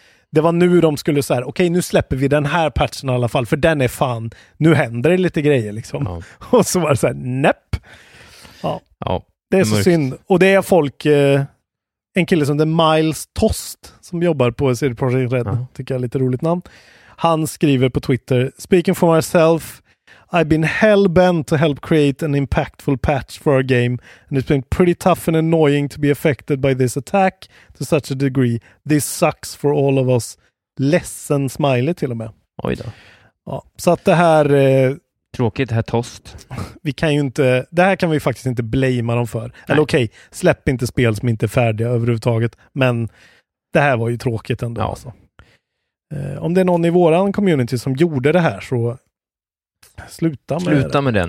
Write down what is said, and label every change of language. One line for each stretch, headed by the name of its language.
Swedish: Det var nu de skulle så här, okej, nu släpper vi den här patchen i alla fall, för den är fan, nu händer det lite grejer liksom. Ja. Och så var det så här, näpp! Ja, ja det är mörkt. Så synd. Och det är folk... En kille som heter Miles Tost som jobbar på CD Projekt Red, tycker jag är lite roligt namn. Han skriver på Twitter:
English: speaking for myself, I've been hell bent to help create an impactful patch for our game, and it's been pretty tough and annoying to be affected by this attack to such a degree. This sucks for all of us.
Swedish: Ledsen smiley till och med. Oj då. Ja, så att det här... Tråkigt, det här Tost. Vi kan ju inte, det här kan vi faktiskt inte blamea dem för. Nej. Eller okej, släpp inte spel som inte är färdiga överhuvudtaget. Men det här var ju tråkigt ändå. Ja. Alltså. Om det är någon i våran community som gjorde det här, så sluta med